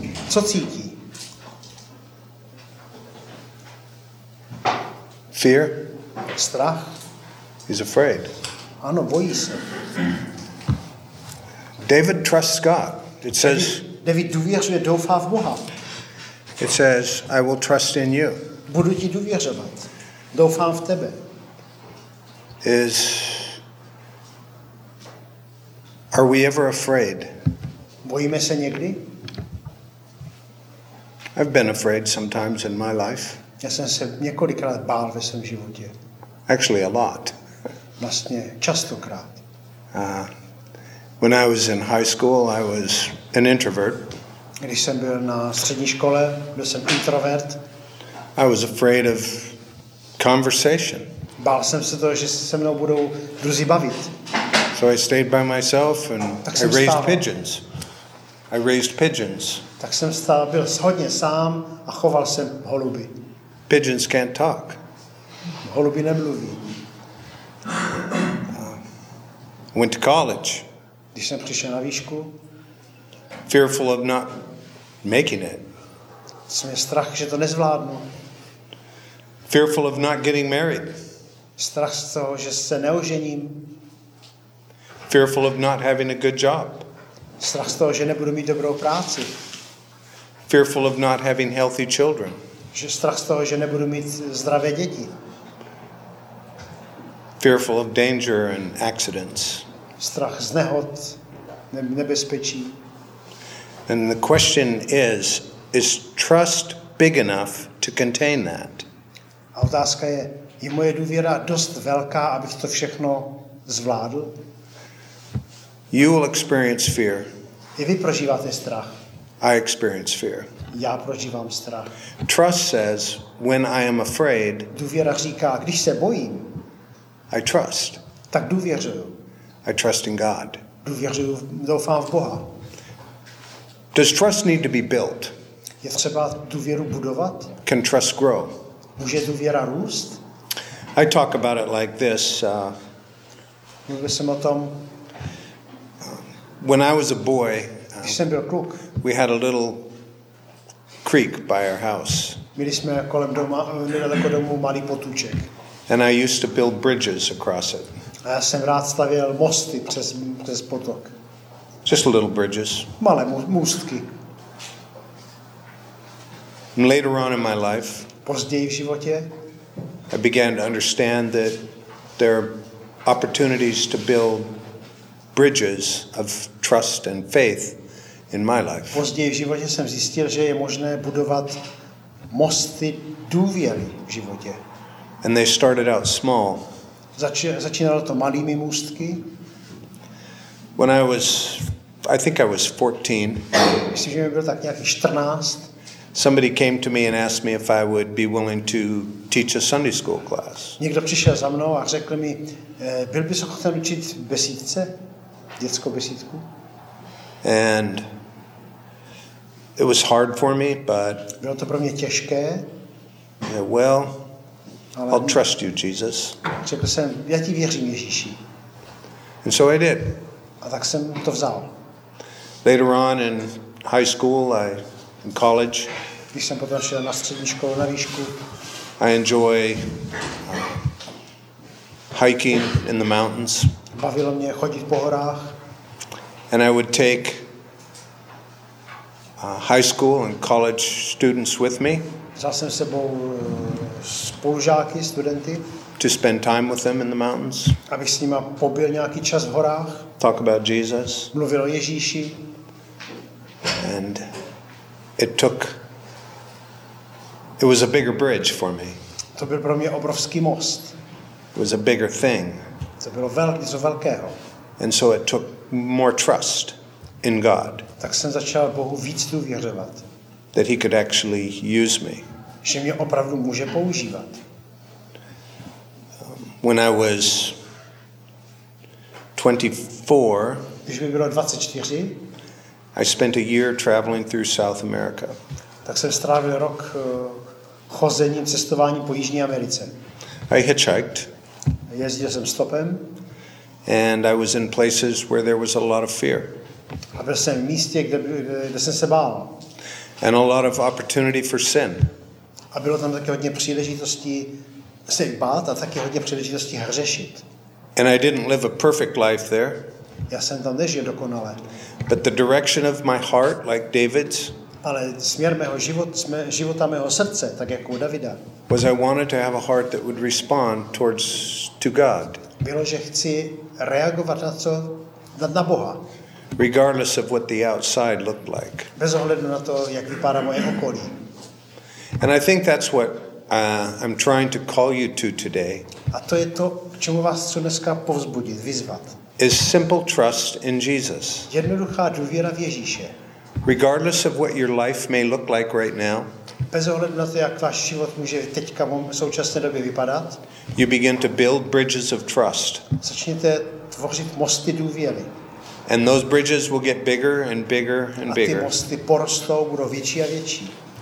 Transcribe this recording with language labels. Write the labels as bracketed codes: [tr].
[cs] Co cítí? [en] Fear? [cs] Strach? [en] He's afraid. [cs] Ano, bojí se. [en] David trusts God. It says... [cs] David důvěřuje, doufá v Boha. [en] It says, I will trust in you. [cs] Budu ti důvěřovat. Doufám v tebe. [en] is, are we ever afraid? [cs] Bojíme se někdy? [en] I've been afraid sometimes in my life. [cs] Já jsem se několikrát bál ve svém životě. [en] Actually, a lot. [cs] Vlastně častokrát. [en] When I was in high school, I was an introvert. [cs] Když jsem byl na střední škole, byl jsem introvert. [en] I was afraid of conversation. [cs] Bál jsem se toho, že se mnou budou druzí bavit. [en] So I stayed by myself and I raised pigeons. I raised pigeons. [cs] Tak jsem stál, byl hodně sám a choval jsem holuby. [en] Pigeons can't talk. [cs] Holuby nemluví. [en] Went to college. [cs] Když jsem přišel na výšku. [en] Fearful of not making it. [cs] Jsem měl strach, že to nezvládnu. [en] Fearful of not getting married. [cs] Strach z toho, že se neožením. [en] Fearful of not having a good job. [cs] Strach z toho, že nebudu mít dobrou práci. [en] Fearful of not having healthy children. [cs] Že strach z toho, že nebudu mít zdravé děti. [en] Fearful of danger and accidents. [cs] Strach z nehod, nebezpečí. [en] And the question is trust big enough to contain that? [cs] A otázka je moje důvěra dost velká, abych to všechno zvládl? [en] You will experience fear. [cs] I vy prožíváte strach. [en] I experience fear. [cs] Já prožívám strach. [en] Trust says, when I am afraid, [cs] důvěra říká, když se bojím, [en] I trust. [cs] Tak důvěřuju. [en] I trust in God. [cs] Důvěřuju, doufám v Boha. [en] Does trust need to be built? [cs] Je třeba důvěru budovat? [en] Can trust grow? [cs] Může důvěra růst? [en] I talk about it like this. [cs] Mluvil jsem o tom. [en] When I was a boy, [cs] když jsem byl kluk, [en] we had a little creek by our house. [cs] Měli jsme kolem doma, nedaleko domu malý potůček. [en] And I used to build bridges across it. [cs] A já jsem rád stavěl mosty přes potok. [en] Just little bridges. [cs] Malé můstky. [en] And later on in my life, [cs] později v životě, [en] I began to understand that there are opportunities to build bridges of trust and faith in my life. [cs] Později v životě jsem zjistil, že je možné budovat mosty důvěry v životě. [en] And they started out small. [cs] Začínalo to malými můstky. [en] When I was, I think I was 14. [cs] Myslím, že mi bylo tak nějak 14. [en] Somebody came to me and asked me if I would be willing to teach a Sunday school class. [cs] Někdo přišel za mnou a řekl mi, byl bys ochoten učit besídce, dětskou besídku? [en] And it was hard for me, but [cs] bylo to pro mě těžké. [en] Yeah, well, ale I'll trust you, Jesus. [cs] Řekl jsem, já ti věřím, Ježíši. [en] And so I did. [cs] A tak jsem to vzal. [en] Later on in high school, in college, [cs] když jsem potom šel na střední školu, na výšku, [en] I enjoy hiking in the mountains. [cs] Bavilo mě chodit po horách. [en] And I would take high school and college students with me. [cs] Vzal jsem sebou spolužáky, studenty. [en] To spend time with them in the mountains. [cs] Abych s nima pobyl nějaký čas v horách. [en] Talk about Jesus. [cs] Mluvil o Ježíši. [en] And it took. It was a bigger bridge for me. [cs] To byl pro mě obrovský most. [en] It was a bigger thing. [cs] To bylo něco velkého. [en] And so it took more trust in God. [cs] Tak jsem začal Bohu víc důvěřovat. [en] That he could actually use me. [cs] Že mě opravdu může používat. [en] When I was 24, [cs] když mi bylo 24, [en] I spent a year traveling through South America. [cs] Tak jsem strávil rok chozením, cestováním po Jižní Americe. [en] I hitchhiked. [cs] Jezdil jsem stopem. [en] And I was in places where there was a lot of fear. [cs] A byl jsem v místě, kde jsem se bál. [en] And a lot of opportunity for sin. [cs] A bylo tam taky hodně příležitostí se bát a taky hodně příležitostí hřešit. [en] And I didn't live a perfect life there. [cs] Já jsem tam nežil dokonale. [en] But the direction of my heart, like David's, [cs] ale směr mého života mého srdce, tak jako u Davida, [en] was I wanted to have a heart that would respond towards to God. [cs] bylo, že chci reagovat na co? Na Boha. [en] Regardless of what the outside looked like. [cs] Bez ohledu na to, jak vypadá moje okolí. [en] And I think that's what I'm trying to call you to today. [cs] A to je to, k čemu vás chci dneska povzbudit, vyzvat. [en] Is simple trust in Jesus. [cs] Jednoduchá důvěra v Ježíše. [en] Regardless of what your life may look like right now. [cs] Bez ohledu na to, jak váš život může teďka v současné době vypadat. [en] You begin to build bridges of trust. [cs] Začněte tvořit mosty důvěry. [en] And those bridges will get bigger and bigger and bigger. [cs] A ty mosty porostou, budou větší a větší.